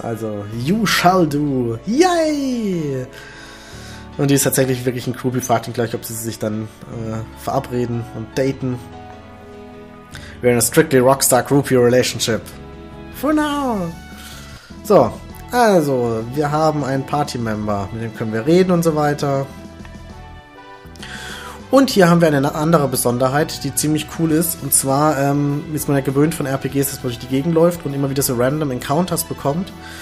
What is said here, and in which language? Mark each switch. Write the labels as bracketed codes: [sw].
[en] Also, you shall do. Yay! [de] Und die ist tatsächlich wirklich ein Groupie, fragt ihn gleich, ob sie sich dann verabreden und daten. [en] We're in a strictly rockstar groupie relationship. For now. [de] So, also, wir haben einen Party-Member, mit dem können wir reden und so weiter. Und hier haben wir eine andere Besonderheit, die ziemlich cool ist. Und zwar ist man ja gewöhnt von RPGs, dass man durch die Gegend läuft und immer wieder so random Encounters bekommt.